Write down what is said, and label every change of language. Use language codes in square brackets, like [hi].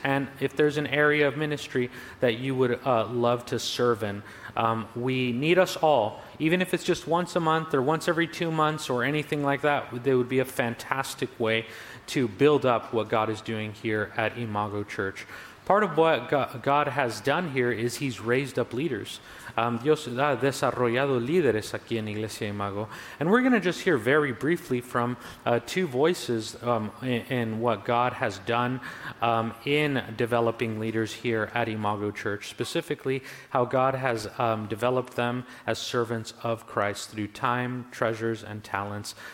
[en] And if there's an area of ministry that you would love to serve in, we need us all. Even if it's just once a month or once every 2 months or anything like that, that would be a fantastic way to build up what God is doing here at Imago Church. Part of what God has done here is he's raised up leaders. [es] Dios ha desarrollado líderes aquí en Iglesia Imago. [en] And we're going to just hear very briefly from two voices in what God has done in developing leaders here at Imago Church, specifically how God has developed them as servants of Christ through time, treasures, and talents.